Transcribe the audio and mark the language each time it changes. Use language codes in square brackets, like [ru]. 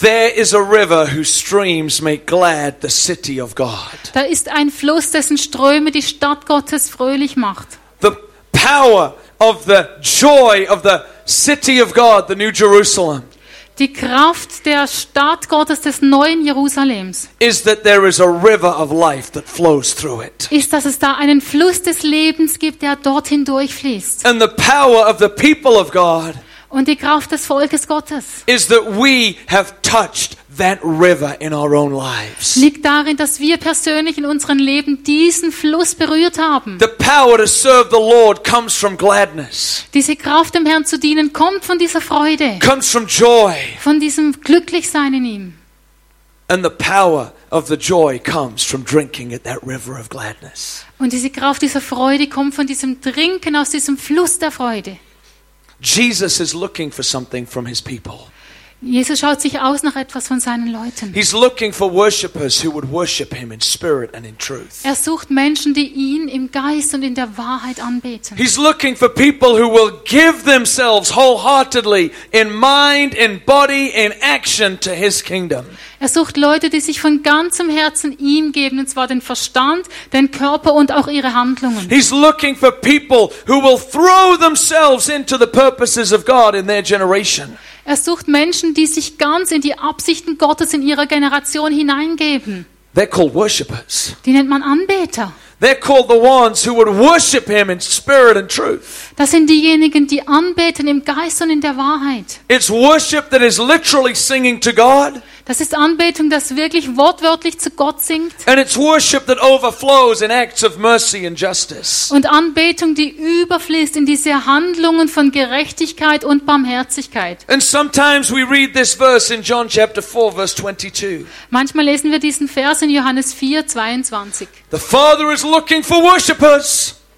[en] There is a river whose streams make glad the city of God. [de] Da ist ein Fluss, dessen Ströme die Stadt Gottes fröhlich macht. [en] the power of the joy of the city of God, the New Jerusalem. [de] Die Kraft der Stadt Gottes des neuen Jerusalems. [en] Is that there is a river of life that flows through it. [de] Ist, dass es da einen Fluss des Lebens gibt, der dorthin durchfließt. [en] And the power of the people of God. [de] Und die Kraft des Volkes Gottes. [en] Is that we have touched that river in our own lives. [de] Liegt darin, dass wir persönlich in unseren Leben diesen Fluss berührt haben. [en] The power to serve the Lord comes from gladness. [de] Diese Kraft, dem Herrn zu dienen, kommt von dieser Freude. [en] Comes from joy. [de] Von diesem Glücklichsein in ihm. [en] And the power of the joy comes from drinking at that river of gladness. [de] Und diese Kraft dieser Freude kommt von diesem Trinken aus diesem Fluss der Freude. [en] Jesus is looking for something from his people. [de] Jesus schaut sich aus nach etwas von seinen Leuten. [en] He's looking for worshippers who would worship him in spirit and in truth. [de] Er sucht Menschen, die ihn im Geist und in der Wahrheit anbeten. [en] He's looking for people who will give themselves wholeheartedly in mind, in body, in action to his kingdom. [de] Er sucht Leute, die sich von ganzem Herzen ihm geben, und zwar den Verstand, den Körper und auch ihre Handlungen. [en] He's looking for people who will throw themselves into the purposes of God in their generation. [de] Er sucht Menschen, die sich ganz in die Absichten Gottes in ihrer Generation hineingeben. [en] They're called worshippers. [de] Die nennt man Anbeter. [en] They're called the ones who would worship him in spirit and truth. [de] Das sind diejenigen, die anbeten im Geist und in der Wahrheit. [en] It's worship that is literally singing to God. [de] Das ist Anbetung, das wirklich wortwörtlich zu Gott singt. [en] And it's worship that overflows in acts of mercy and justice. [de] Und Anbetung, die überfließt in diese Handlungen von Gerechtigkeit und Barmherzigkeit. [en] And sometimes we read this verse in John chapter 4 verse 22. [de] Manchmal lesen wir diesen Vers in Johannes 4, 22. [en] The Father is looking for worshippers.